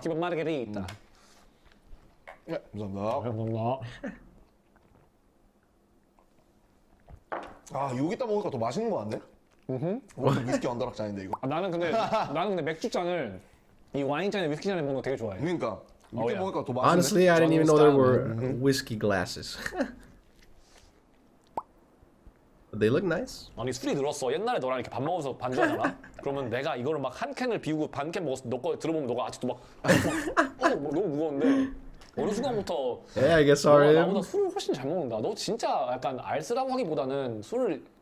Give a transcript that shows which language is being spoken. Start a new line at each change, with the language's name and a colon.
Korean: 기본 마르게리타. 예, 감사합니다. 감사합니다. 아, 여기다 먹으니까 더 맛있는 거 같네. 응. 오늘 위스키 언더락 잔인데 이거. 아, 나는 근데 맥주 잔을 이 와인 잔에 위스키 잔에 먹는 거 되게 좋아해. 그러니까 이렇게
English: oh, yeah.
Korean: 먹으니까 더 맛있네.
English: Honestly, I didn't even know there were whiskey glasses. They look nice.
Korean: 아니 술이 늘었어. 옛날에 너랑 이렇게 밥 먹어서 반주하잖아. 그러면 내가 이거를 막 한 캔을 비우고 반 캔 먹어서 너 거 들어보면 너가 아직도 막 너무 무거운데. 어느 순간부터
English: yeah, I guess so.
Korean: 나보다 술을 훨씬 잘 먹는다. 너 진짜 약간 알쓰라고하기보다는 술을